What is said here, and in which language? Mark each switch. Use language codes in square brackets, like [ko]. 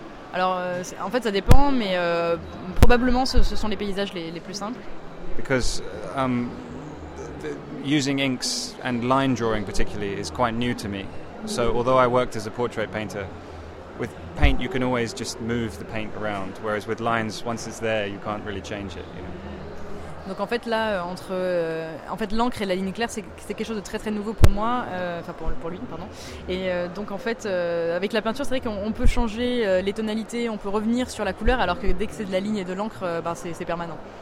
[fr] En fait, ça dépend, mais probablement ce sont les paysages les plus simples. [en] Because using inks and line drawing particularly is quite new to me. So although I worked as a portrait painter, with paint you can always just move the paint around, whereas with lines, once it's there, you can't really change it. You know? [fr] Donc en fait là, entre en fait l'encre et la ligne claire, c'est quelque chose de très très nouveau pour moi, pour lui, pardon. Et donc en fait, avec la peinture, c'est vrai qu'on peut changer les tonalités, on peut revenir sur la couleur, alors que dès que c'est de la ligne et de l'encre, c'est permanent.